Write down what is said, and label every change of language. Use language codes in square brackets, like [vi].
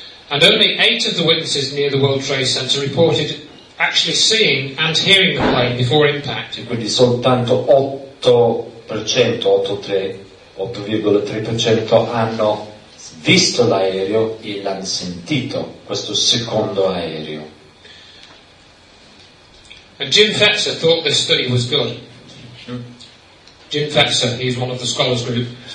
[en] And only 8 of the witnesses near the World Trade Center reported actually seeing and hearing the plane before impact. [it] Quindi soltanto 8,3% hanno visto l'aereo e l'hanno sentito, questo secondo aereo. [en] And Jim Fetzer thought this study was good. Jim Fetzer, he's one of the scholars group.